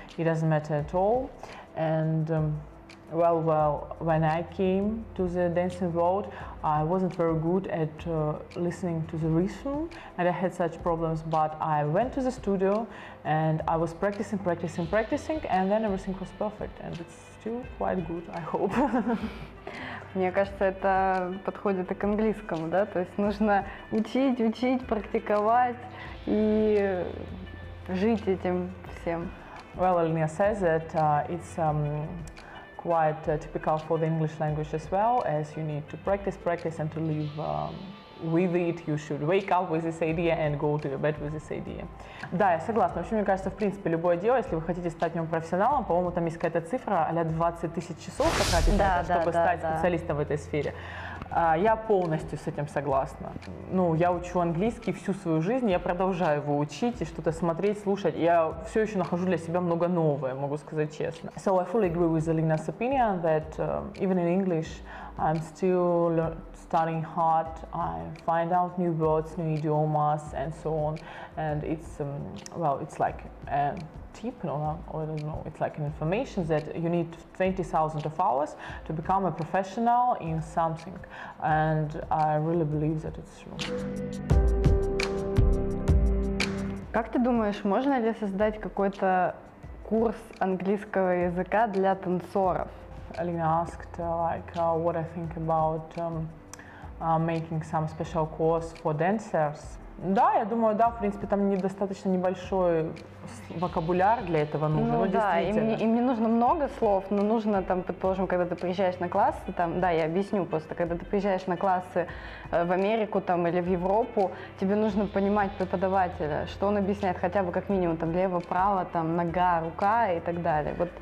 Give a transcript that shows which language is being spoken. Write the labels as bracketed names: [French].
[English] It doesn't matter at all. And when I came to the dancing world, I wasn't very good at listening to the rhythm, and I had such problems. But I went to the studio, and I was practicing, and then everything was perfect, and it's still quite good, I hope. [Russian] Мне кажется, это подходит и к английскому, да? То есть нужно учить, практиковать и жить этим всем. [English] Well, Alina says that it's quite typical for the English language as well, as you need to practice and to live with it. You should wake up with this idea and go to your bed with this idea. [Russian] Да, я согласна. Вообще, мне кажется, в принципе, любое дело, если вы хотите стать нем профессионалом, по-моему, там есть какая-то цифра, а-ля 20 тысяч часов потратить, да, чтобы стать специалистом, да, в этой сфере. Я полностью с этим согласна. Ну, я учу английский всю свою жизнь, я продолжаю его учить и что-то смотреть, слушать. Я все еще нахожу для себя много нового, могу сказать честно. [English] So I fully agree with Alina's opinion that even in English I'm still studying hard. I find out new words, new idiomas, and so on. And it's it's like a tip, or I don't know. It's like an information that you need 20,000 of hours to become a professional in something. And I really believe that it's true. [Russian] Как ты думаешь, можно ли создать какой-то курс английского языка для танцоров? [English] Alina asked what I think about making some special course for dancers. [Russian] Да, я думаю, да, в принципе, там недостаточно небольшой вокабуляр для этого нужен. Ну да, им не нужно много слов, но нужно там, предположим, когда ты приезжаешь на классы, там, да, я объясню просто, когда ты приезжаешь на классы в Америку там или в Европу, тебе нужно понимать преподавателя, что он объясняет, хотя бы как минимум там лево-право, там нога, рука и так далее.